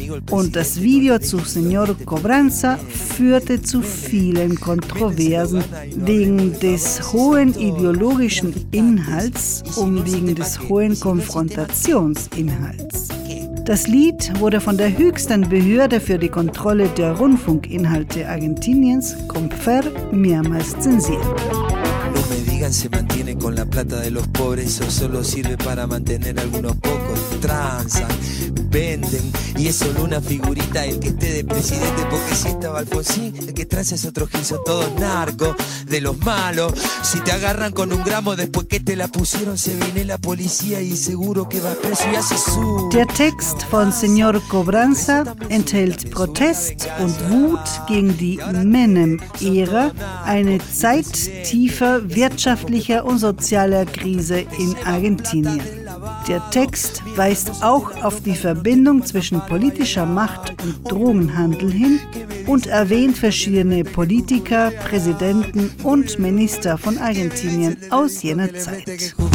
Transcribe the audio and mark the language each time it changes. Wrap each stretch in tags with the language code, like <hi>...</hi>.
<de>Und das Video zu Señor Cobranza führte zu vielen Kontroversen wegen des hohen ideologischen Inhalts und wegen des hohen Konfrontationsinhalts. Das Lied wurde von der höchsten Behörde für die Kontrolle der Rundfunkinhalte Argentiniens, CONFER, mehrmals zensiert.</de> <es>No me digan se mantiene con la plata de los pobres o solo sirve para mantener algunos pocos. Tranzan, venden y es solo una figurita el que esté de presidente porque si estaba Alfonsín el que traza es otro Gil, son todos narcos de los malos. Si te agarran con un gramo después que te la pusieron se viene la policía y seguro que va preso y hace su.</es> <de>Der Text von Señor Cobranza enthält Protest und Wut gegen die Menem-Ära, eine Zeit tiefer wirtschaftlicher und sozialer Krise in Argentinien. Der Text weist auch auf die Verbindung zwischen politischer Macht und Drogenhandel hin und erwähnt verschiedene Politiker, Präsidenten und Minister von Argentinien aus jener Zeit.</de>